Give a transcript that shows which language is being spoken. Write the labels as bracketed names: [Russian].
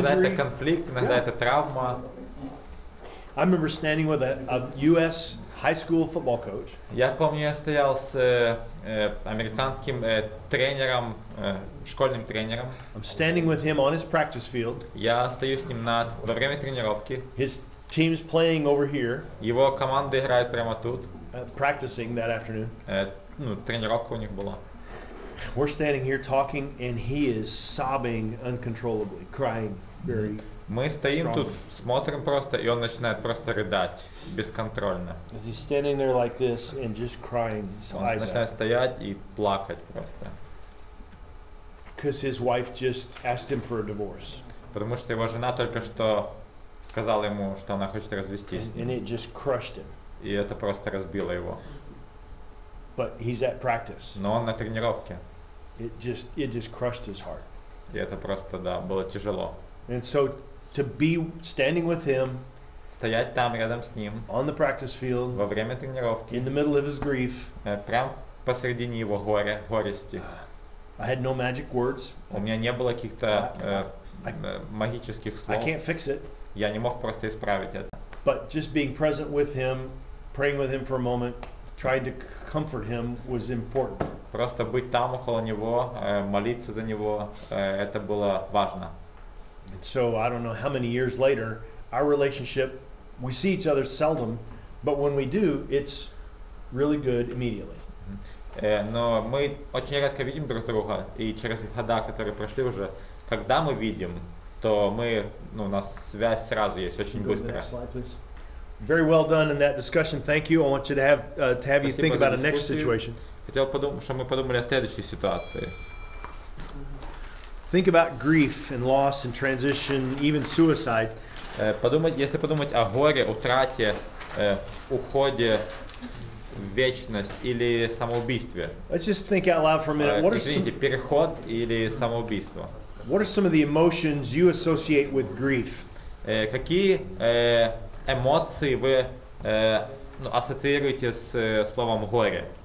[Russian] Иногда это конфликт, иногда это травма. [English] I remember standing with a U.S. high school football coach. [Russian] Я помню, я стоял с американским тренером, школьным тренером. [English] I'm standing with him on his practice field. [Russian] Я стою с ним во время тренировки. [English] His team's playing over here. [Russian] Его команда играет прямо тут. [English] Practicing that afternoon. [Russian] Ну, тренировка у них была. [English] We're standing here talking, and he is sobbing uncontrollably, crying very. [Russian] Мы стоим тут, смотрим просто, и он начинает просто рыдать бесконтрольно. [English] He's standing there like this and just crying his eyes out. [Russian] Он начинает стоять и плакать просто. [English] Because his wife just asked him for a divorce. [Russian] Потому что его жена только что сказала ему, что она хочет развестись. [English] And it just crushed him. [Russian] И это просто разбило его. [English] But he's at practice. [Russian] Но он на тренировке. [English] It just crushed his heart. [Russian] И это просто, да, было тяжело. [English] And so to be standing with him, [Russian] стоять там рядом с ним, [English] on the practice field, [Russian] во время тренировки, [English] in the middle of his grief, [Russian] прям посредине его горя, горести. [English] I had no magic words. [Russian] У меня не было каких-то магических слов. [English] I can't fix it. [Russian] Я не мог просто исправить это. [English] But just being present with him, praying with him for a moment, trying to comfort him was important. [Russian] Просто быть там около него, молиться за него, это было важно. [English] And so I don't know how many years later our relationship, we see each other seldom, but when we do, it's really good immediately. [Russian] Но мы очень редко видим друг друга, и через года, которые прошли уже, когда мы видим, то мы, ну, у нас связь сразу есть, очень быстро. [English] Very well done in that discussion. Thank you. I want you to have you think about the next situation. [Russian] Хотел подумать, чтобы мы подумали о следующей ситуации. [English] Think about grief and loss and transition, even suicide. [Russian] Подумать, если подумать о горе, утрате, уходе в вечность или самоубийстве. [English] Let's just think out loud for a minute. What [Russian] извините, [English] are some, [Russian] переход или самоубийство? [English] What are some of the emotions you associate with grief? [Russian] Какие эмоции вы ассоциируете с словом горе?